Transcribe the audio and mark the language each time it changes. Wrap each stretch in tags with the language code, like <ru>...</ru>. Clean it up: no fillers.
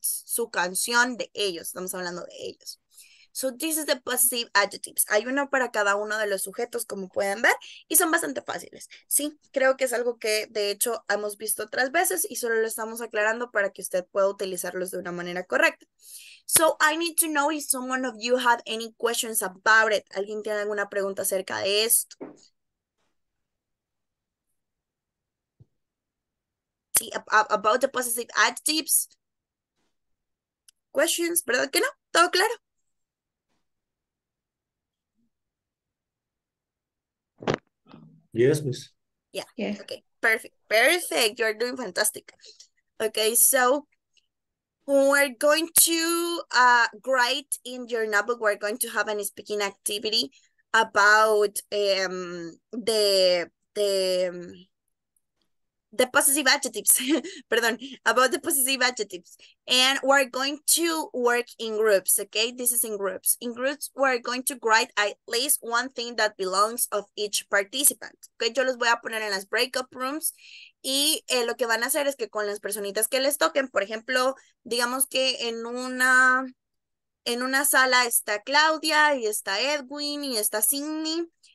<es>Su canción de ellos, estamos hablando de ellos.</es> <en>So this is the possessive adjectives.</en> <es>Hay uno para cada uno de los sujetos, como pueden ver, y son bastante fáciles. Sí, creo que es algo que, de hecho, hemos visto otras veces y solo lo estamos aclarando para que usted pueda utilizarlos de una manera correcta.</es> <en>So I need to know if someone of you had any questions about it.</en> <es>¿Alguien tiene alguna pregunta acerca de esto? Sí,</es> <en>about the possessive adjectives.</en> <es>¿Questions? ¿Verdad que no? ¿Todo claro?</es> <en>Yes, miss. Yeah. Yes. Okay. Perfect. Perfect. You're doing fantastic. Okay, so we're going to write in your notebook. We're going to have a speaking activity about the possessive adjectives. Perdón, about the possessive adjectives. And we're going to work in groups, okay? This is in groups. In groups, we're going to write at least one thing that belongs of each participant.</en> <es>Okay, yo los voy a poner en las breakup rooms. Y lo que van a hacer es que con las personitas que les toquen, por ejemplo, digamos que en una sala está Claudia, y está Edwin, y está Sydney.</es>